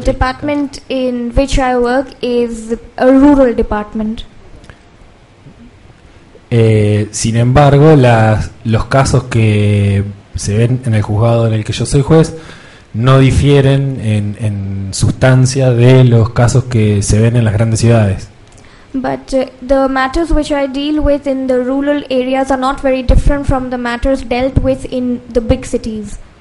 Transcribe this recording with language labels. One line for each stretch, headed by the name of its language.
English: The department country in which I work is a rural department.
Spanish: Sin embargo, los casos que se ven en el juzgado en el que yo soy juez no difieren en sustancia de los casos que se ven en las grandes ciudades.
English: But the matters which I deal with in the rural areas are not very different from the matters dealt with in the big cities.